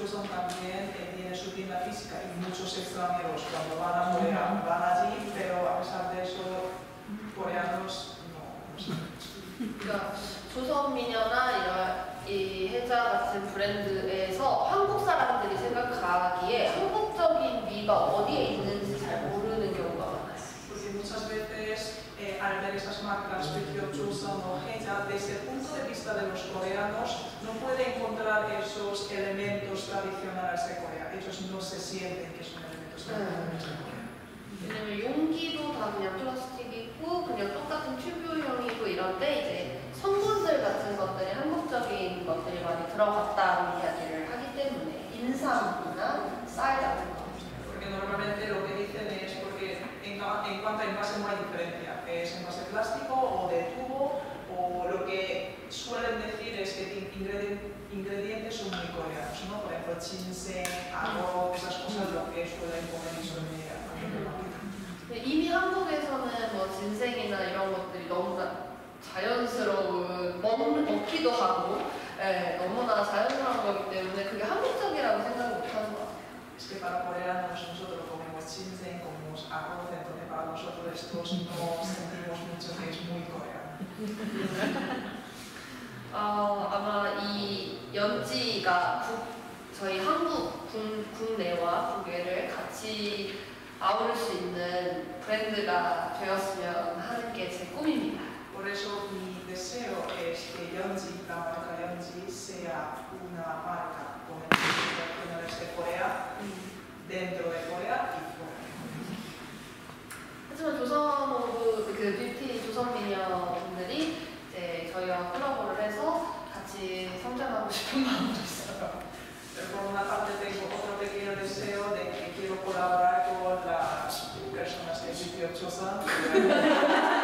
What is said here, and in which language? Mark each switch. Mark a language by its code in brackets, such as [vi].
[es] También tiene su tienda física y muchos extranjeros cuando van a Corea van allí, pero pesar de eso, coreanos no, no sé. [ko] 조선미녀나 이 혜자 같은 브랜드에서 한국 사람들이 생각하기에 한국적인 미가 어디에 있는지 잘 모르는 경우가 많아요. [es] Porque muchas veces al ver estas marcas, Pecio Chuson o Hecha, desde el punto de vista de los coreanos, no puede encontrar esos elementos tradicionales de Corea. Ellos no se sienten que son elementos tradicionales de Corea. [ko] 왜냐면 용기도 다 그냥 플라스틱이고 그냥 똑같은 튜브형이고 이런데 이제 성분들 같은 것들이 한국적인 것들이 많이 들어갔다는 이야기를 하기 때문에 인삼이나 쌀 같은 거. [es] Porque normalmente lo que dicen es porque en cuanto a envase no hay diferencia. Es envase plástico o de tubo o lo que suelen decir es que ingredientes son muy coreanos, ¿no? Por ejemplo, ginseng, arroz, esas cosas lo que suelen comer y son de la marca. [ko] 이미 한국에서는 뭐 진생이나 이런 것들이 너무 자연스러운 먹기도 하고 예, 너무나 자연스러운 거기 때문에 그게 한국적이라고 생각을 못하는 것 같아요. [es] Es que para coreanos nosotros comemos ginseng, comemos arroz, entonces para nosotros estos no sentimos mucho que es muy coreano. [ko] 아마 이 연지가 저희 한국 국내와 국외를 같이 아우를 수 있는 브랜드가 되었으면 하는 게 제 꿈입니다. [es] Por eso mi deseo es que Yeonji, la marca Yeonji, sea una marca con el diseño de Corea, dentro de Corea y fuera de Corea. [ko] 뷰티 조선미녀분들이 저희와 콜라보를 해서 같이 성장하고 싶은 마음도 있어요. [es] Por una parte tengo otro pequeño deseo de que quiero colaborar con las personas de Bipio Chosan.